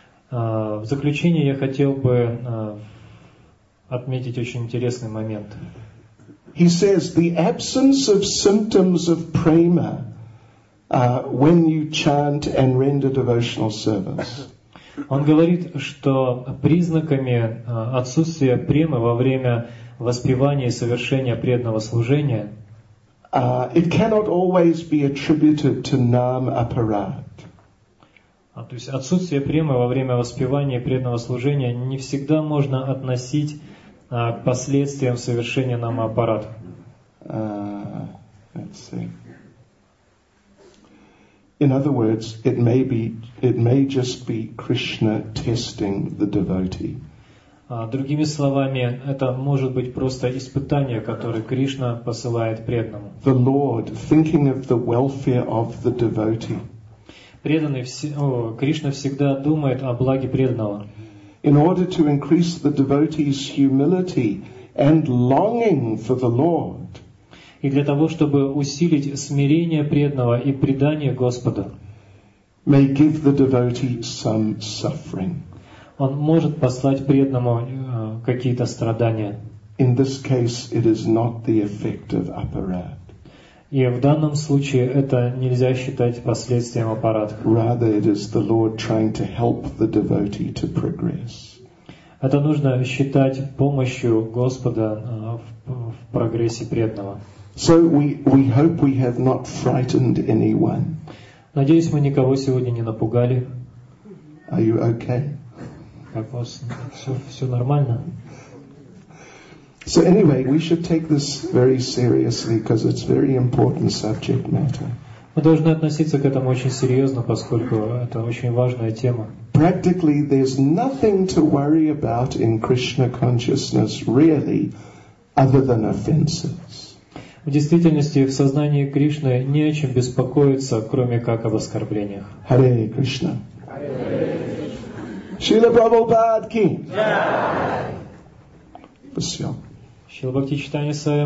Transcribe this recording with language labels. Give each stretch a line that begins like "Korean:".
Russian: В заключение я хотел бы отметить очень интересный момент.
English: He says the absence of symptoms of prema when you chant and render devotional service.
Russian: Он говорит, что признаками отсутствия премы во время воспевания и совершения преданного служения
English: It cannot always be attributed to nam aparad.
Russian: То есть отсутствие премы во время воспевания и преданного служения не всегда можно относить к последствиям совершения нам аппарат.
English: Let's see. In other words, it may just be Krishna testing the devotee.
Russian: Другими словами, это может быть просто испытание, которое Кришна посылает преданному.
English: The Lord, thinking of the welfare of the devotee.
Russian: Кришна всегда думает о благе преданного.
English: In order to increase the devotee's humility and longing for the Lord.
Russian: И для того, чтобы усилить смирение преданного и предание Господу.
English: May give the devotee some suffering.
Russian: Он может послать преданному какие-то страдания.
English: In this case, it is not the effect of aparad.
Russian: И в данном случае это нельзя считать последствием аппарат.
English: Rather, it is the Lord trying to help the devotee to progress.
Russian: Это нужно считать помощью Господа в прогрессе преданного.
English: So we hope we have not frightened anyone.
Russian: Надеюсь, мы никого сегодня не напугали.
English: Are you okay?
Russian: Как у вас? Все нормально?
English: So anyway, we should take this very seriously, because it's very important subject matter.
Russian: Мы должны относиться к этому очень серьезно, поскольку это очень важная тема.
English: Practically, there's nothing to worry about in Krishna consciousness, really, other than offenses.
Russian: В действительности, в сознании Кришны не о чем беспокоиться, кроме как об оскорблениях.
English: Hare Krishna.
Russian: Шрила Прабхупада ки. Джай. Спасибо. Шрила Бхакти Читания Сая